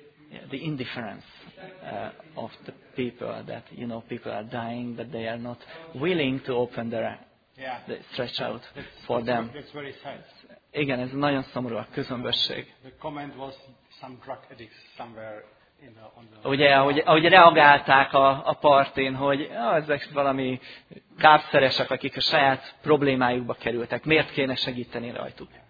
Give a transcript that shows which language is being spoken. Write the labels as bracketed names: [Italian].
[English] Yeah, the indifference of the people that, you know, people are dying, but they are not willing to open their the stretch out that's, for that's, them. That's very sad. [Hungarian] Igen, ez nagyon szomorú a közömbösség. [English] The comment was some drug addicts somewhere in the, on the. [Hungarian] Ugye, ahogy reagálták a partin, hogy ezek valami kábszeresek, akik a saját problémájukba kerültek. Miért kéne segíteni rajtuk?